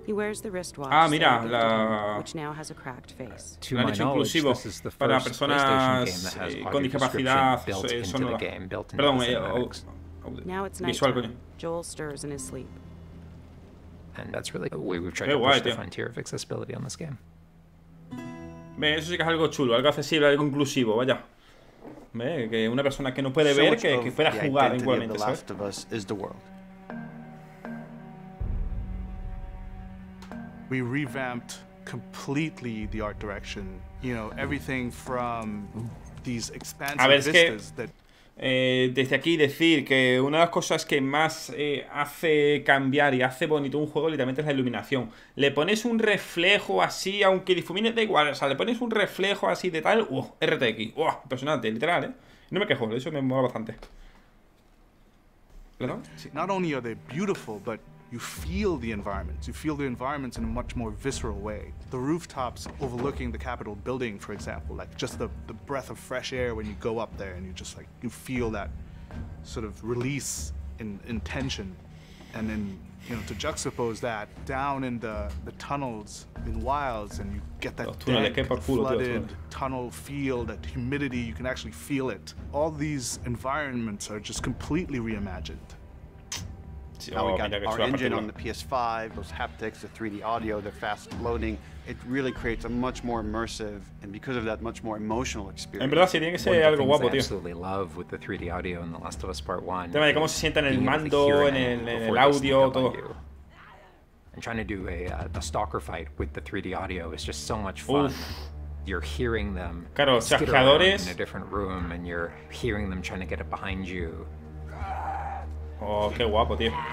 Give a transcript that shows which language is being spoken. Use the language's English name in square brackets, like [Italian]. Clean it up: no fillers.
[English] He wears the wristwatch, which now has a cracked face. To my knowledge, this is the first PlayStation game that has audio description built into the game, built into the cinematics. Now it's nighttime. Joel stirs in his sleep. And that's really the way we've tried to push the frontier of accessibility on this game. [Spanish] Me, eso sí que es algo chulo, algo accesible, algo inclusivo, vaya. Que una persona que no puede ver, que pueda jugar igualmente, ¿sabes? We revamped completely the art direction. You know, everything from these expansive vistas that... Desde aquí decir que una de las cosas que más hace cambiar y hace bonito un juego literalmente es la iluminación. Le pones un reflejo así, aunque difumine, da igual, o sea, le pones un reflejo así de tal, RTX, impresionante, literal, No me quejo, eso me mola bastante. ¿Perdón? Sí. [English] Not only are they beautiful, but you feel the environments. You feel the environments in a much more visceral way. The rooftops overlooking the Capitol building, for example, like just the breath of fresh air when you go up there and you just like, you feel that sort of release in tension. And then, you know, to juxtapose that down in the tunnels in Wilds and you get that dank, flooded tunnel feel, that humidity, you can actually feel it. All these environments are just completely reimagined. Now we got our engine on the PS5, those haptics, the 3D audio, the fast loading. It really creates a much more immersive, and because of that, much more emotional experience. [Spanish] En verdad, sí, tiene que ser algo guapo, tío. [English] I absolutely love with the 3D audio in The Last of Us Part 1. [Spanish] Tema de cómo se sienta en el mando, en el audio, todo. [English] And trying to do a stalker fight with the 3D audio is just so much fun. Uf. You're hearing them skitter around in a different room, and you're hearing them trying to get it behind you. [Spanish] Oh, qué guapo, tío.